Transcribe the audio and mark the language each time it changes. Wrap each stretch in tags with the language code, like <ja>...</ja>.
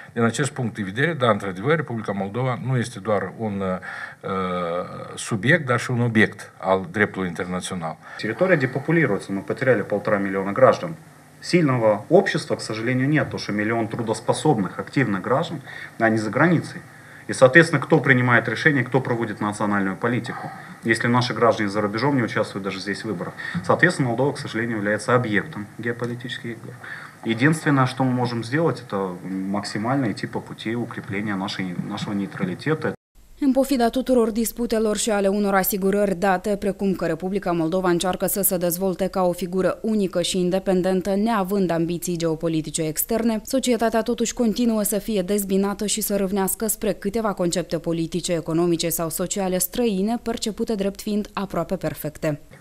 <ro>Din acest punct de vedere, da, într-adevăr, Republica Moldova nu este doar un subiect, dar și un obiect al dreptului internațional. Teritoria depopulirează, noi</ro> <ru>потеряли</ru> <ro>1,5 milioane de</ro> <ru>граждан. Сильного общества, к сожалению, нет, потому что 1</ru> <ro>milion</ro> <ru>трудоспособных, активных граждан, они за границей. И, соответственно, кто принимает решение, кто проводит национальную политику, если наши граждане за рубежом не участвуют даже здесь в выборах. Соответственно, Молдова, к сожалению, является объектом геополитических игр. Единственное, что мы можем сделать, это максимально идти по пути укрепления нашего нейтралитета.</ru> <ro>În pofida tuturor disputelor și ale unor asigurări date, precum că Republica Moldova încearcă să se dezvolte ca o figură unică și independentă, neavând ambiții geopolitice externe, societatea totuși continuă să fie dezbinată și să râvnească spre câteva concepte politice, economice sau sociale străine, percepute drept fiind aproape perfecte.</ro>